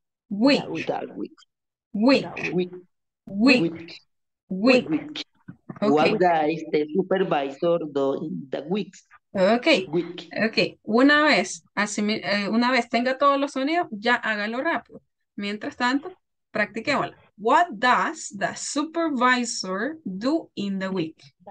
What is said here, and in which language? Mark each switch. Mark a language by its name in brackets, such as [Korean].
[English] What does the supervisor do in the week? Okay. [Spanish] Una vez tenga todos los sonidos, ya hágalo rápido. Mientras tanto, practiquémoslo. [English] What does the supervisor do in the week?